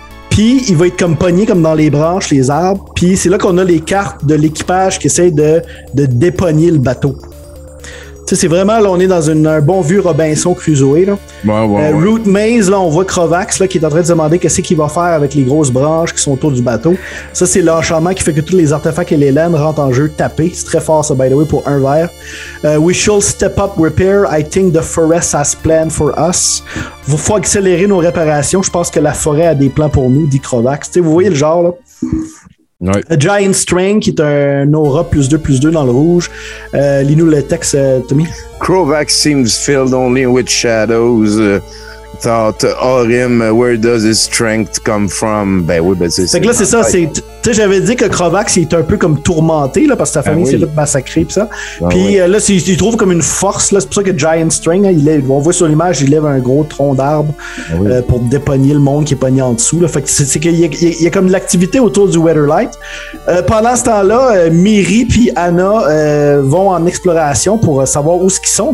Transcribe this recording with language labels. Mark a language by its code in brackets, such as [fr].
[fr] Puis il va être comme pogné, comme dans les branches, les arbres. Puis c'est là qu'on a les cartes de l'équipage qui essaye de dépogner le bateau. Tu sais, c'est vraiment, là, on est dans un bon vieux Robinson Crusoe, là. Ouais. Root Maze, là, on voit Crovax, là, qui est en train de se demander qu'est-ce qu'il va faire avec les grosses branches qui sont autour du bateau. Ça, c'est l'enchantement qui fait que tous les artefacts et les laines rentrent en jeu tapé. C'est très fort, ça, [en] by the way, [fr] pour un verre. [en] We shall step up repair. I think the forest has planned for us. [fr] Il faut accélérer nos réparations. Je pense que la forêt a des plans pour nous, dit Crovax. Tu sais, vous voyez le genre, là. Ouais. A Giant String, qui est un aura +2/+2 dans le rouge. Lis-nous le texte, Tommy. [en] Krovax seems filled only with shadows. Thought Orim, where does his strength come from? [fr] Ben oui, ben c'est ça. Fait que là, c'est ça. Tu sais, j'avais dit que Krovax, il est un peu comme tourmenté, là, parce que sa famille s'est fait massacrer, pis ça. Il trouve comme une force, là. C'est pour ça que Giant String, hein, on voit sur l'image, il lève un gros tronc d'arbre pour dépogner le monde qui est pogné en dessous, là. Fait que c'est qu'il y a comme de l'activité autour du Weatherlight. Pendant ce temps-là, Miri pis Anna vont en exploration pour savoir où ce qu'ils sont.